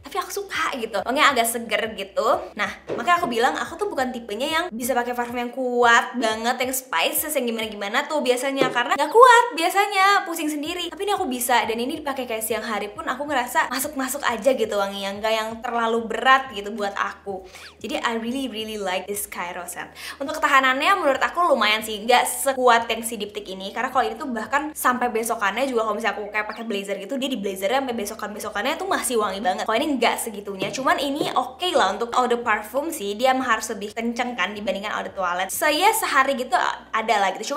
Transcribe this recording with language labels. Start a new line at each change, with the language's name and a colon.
Indonesian: Tapi aku suka gitu, wanginya agak seger gitu. Nah, makanya aku bilang aku tuh bukan tipenya yang bisa pakai parfum yang kuat banget, yang spices, yang gimana-gimana tuh biasanya. Karena gak kuat biasanya, pusing sendiri. Tapi ini aku bisa, dan ini dipakai kayak siang hari pun aku ngerasa masuk-masuk aja gitu wanginya. Gak yang terlalu berat gitu buat aku.
English: Jadi I really really like this Cairo scent.
Indonesian: Untuk ketahanannya menurut aku lumayan sih, nggak sekuat yang si diptik ini. Karena kalau ini tuh bahkan sampai besokannya juga, kalau misalnya aku kayak pakai blazer gitu, dia di blazernya sampai besokan-besokannya tuh masih wangi banget. Kalau ini nggak segitunya, cuman ini okay lah untuk eau de parfum sih. Dia harus lebih kenceng kan dibandingkan eau de toilette. So ya sehari gitu ada lah gitu.